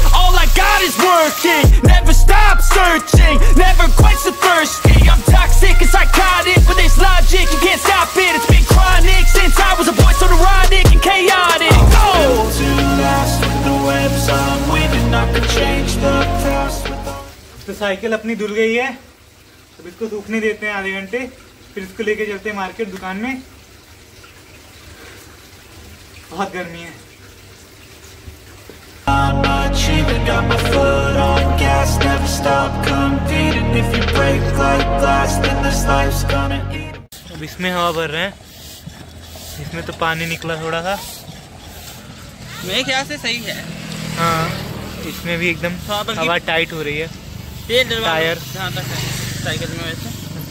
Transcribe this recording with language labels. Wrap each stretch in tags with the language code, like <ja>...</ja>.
<en>All I got is working. Never stop searching. Never quench the thirsty. I'm toxic. It's psychotic, but it's logic, you can't stop it. It's been chronic since I was a boy, so neurotic and chaotic. I'm built to last with the webs I'm weaving. I can change the past with the...</en> <hi>cycle अपनी धुल गई है, अब इसको सूखने देते हैं आधे घंटे, फिर इसको लेके चलते हैं मार्केट, दुकान में। बहुत गर्मी है।</hi> <en>I'm achieving, got my foot on gas, never stop competing. If you break like glass, then this life's gonna eat.</en> <hi>अब इसमें हवा भर रहे हैं, इसमें तो पानी निकला थोड़ा सा, मेरे ख्याल से सही है। हाँ, इसमें भी एकदम हवा टाइट हो रही है, तेल डलवा, टायर जहाँ तक है साइकिल में, वैसे</hi>